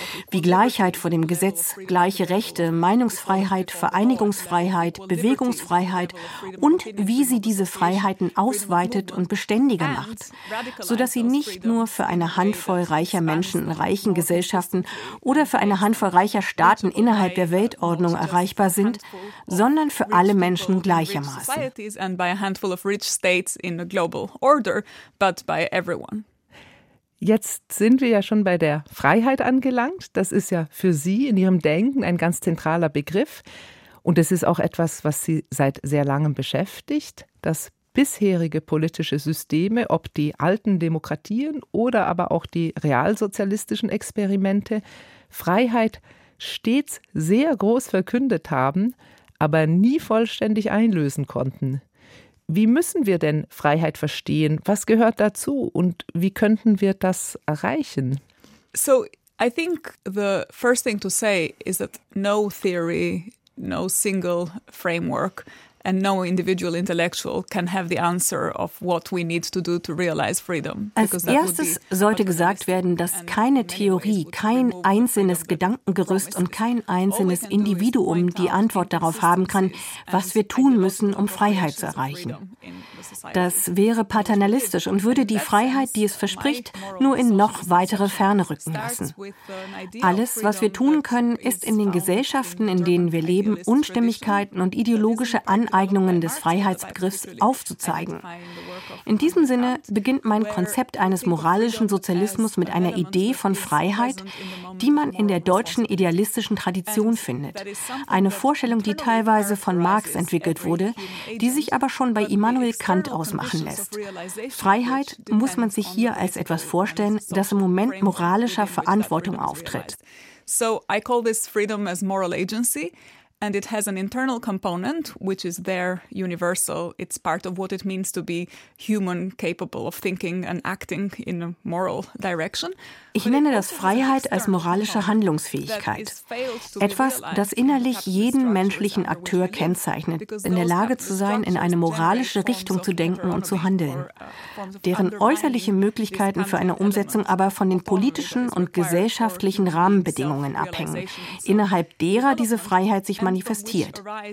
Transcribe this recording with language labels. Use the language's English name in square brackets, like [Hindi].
[German] wie Gleichheit vor dem Gesetz, gleiche Rechte, Meinungsfreiheit, Vereinigungsfreiheit, Bewegungsfreiheit und wie sie diese Freiheiten ausweitet und beständiger macht, sodass sie nicht nur für eine Handvoll reicher Menschen in reichen Gesellschaften oder für eine Handvoll reicher Staaten innerhalb der Weltordnung erreichbar sind, sondern für alle Menschen gleichermaßen. [English] States in a global order, but by everyone. [German] Jetzt sind wir ja schon bei der Freiheit angelangt. Das ist ja für Sie in Ihrem Denken ein ganz zentraler Begriff. Und es ist auch etwas, was Sie seit sehr langem beschäftigt, dass bisherige politische Systeme, ob die alten Demokratien oder aber auch die realsozialistischen Experimente, Freiheit stets sehr groß verkündet haben, aber nie vollständig einlösen konnten. Wie müssen wir denn Freiheit verstehen? Was gehört dazu und wie könnten wir das erreichen? [English] So, I think the first thing to say is that no theory, no single framework and no individual intellectual can have the answer of what we need to do to realize freedom. [German] Als erstes sollte gesagt werden, dass keine Theorie, kein einzelnes Gedankengerüst und kein einzelnes Individuum die Antwort darauf haben kann, was wir tun müssen, um Freiheit zu erreichen. Das wäre paternalistisch und würde die Freiheit, die es verspricht, nur in noch weitere Ferne rücken lassen. Alles, was wir tun können, ist in den Gesellschaften, in denen wir leben, Unstimmigkeiten und ideologische Aneignungen des Freiheitsbegriffs aufzuzeigen. In diesem Sinne beginnt mein Konzept eines moralischen Sozialismus mit einer Idee von Freiheit, die man in der deutschen idealistischen Tradition findet. Eine Vorstellung, die teilweise von Marx entwickelt wurde, die sich aber schon bei Immanuel Kant ausmachen lässt. Freiheit muss man sich hier als etwas vorstellen, das im Moment moralischer Verantwortung auftritt. [English] So I call this freedom as moral agency. And it has an internal component, which is there universal. It's part of what it means to be human, capable of thinking and acting in a moral direction. [German] Ich nenne das Freiheit als moralische Handlungsfähigkeit. Etwas, das innerlich jeden menschlichen Akteur kennzeichnet, in der Lage zu sein, in eine moralische Richtung zu denken und zu handeln. Deren äußerliche Möglichkeiten für eine Umsetzung aber von den politischen und gesellschaftlichen Rahmenbedingungen abhängen, innerhalb derer diese Freiheit sich manifestiert.